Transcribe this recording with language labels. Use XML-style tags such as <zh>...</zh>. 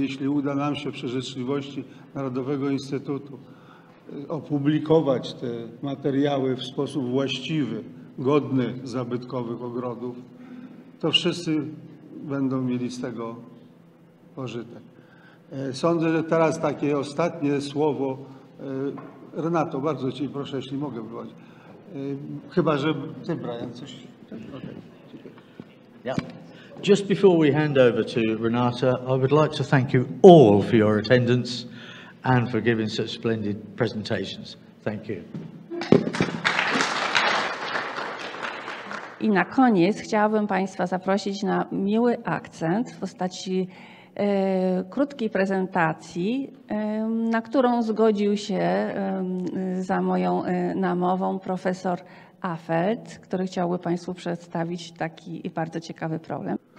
<pl>Jeśli uda nam się przy życzliwości Narodowego Instytutu opublikować te materiały w sposób właściwy, godny zabytkowych ogrodów, to wszyscy będą mieli z tego pożytek. Sądzę, że teraz takie ostatnie słowo. Renato, bardzo Cię proszę, jeśli mogę wywołać. Chyba, że Ty, Brian, coś...</pl> <en>Yeah. Just before we hand over to Renata, I would like to thank you all for your attendance and for giving such splendid presentations. Thank you.</en> <pl>I na koniec chciałabym Państwa zaprosić na miły akcent w postaci krótkiej prezentacji, na którą zgodził się za moją namową profesor Afelt, który chciałby Państwu przedstawić taki bardzo ciekawy problem.</pl>